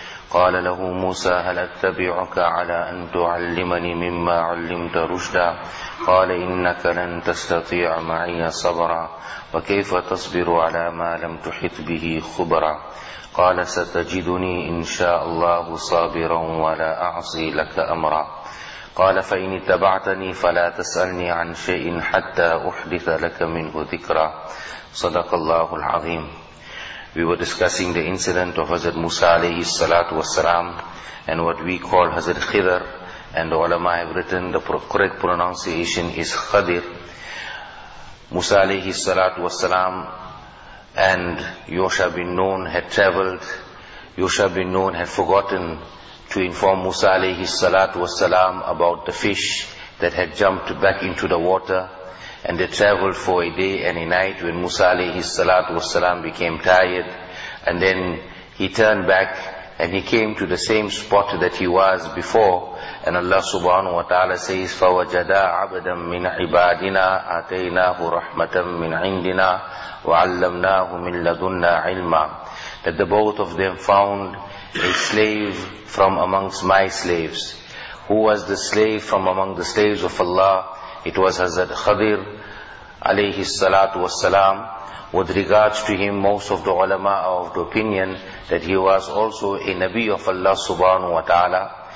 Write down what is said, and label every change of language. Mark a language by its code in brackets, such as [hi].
[ar] قال له موسى هل أتبعك على أن تعلمني مما علمت رشدا قال إنك لن تستطيع معي صبرا وكيف تصبر على ما لم تحط به خبرا قال ستجدني إن شاء الله صابرا ولا أعصي لك أمرا قال فإن اتبعتني فلا تسألني عن شيء حتى أحدث لك منه ذكرا صدق الله العظيم. [en] We were discussing the incident of Hazrat Musa alayhi salatu wasalam and what we call Hazrat Khidr, and the ulama have written the correct pronunciation is Khadir. Musa alayhi salatu wasalam and Yosha bin Nun had traveled. Yosha bin Nun had forgotten to inform Musa alayhi salatu wasalam about the fish that had jumped back into the water. And they traveled for a day and a night when Musa alayhi salatu wasalam became tired. And then he turned back and he came to the same spot that he was before. And Allah subhanahu wa ta'ala says, [ar] فَوَجَدَا عَبْدًا مِّنْ عِبَادِنَا آتَيْنَاهُ رَحْمَةً مِّنْ عِنْدِنَا وَعَلَّمْنَاهُ مِنْ لَدُنَّا عِلْمًا. [en] That the both of them found a slave from amongst my slaves. Who was the slave from among the slaves of Allah? It was Hazrat Khadir alayhi salatu wasalam. With regards to him, most of the ulama are of the opinion that he was also a Nabi of Allah subhanahu wa ta'ala.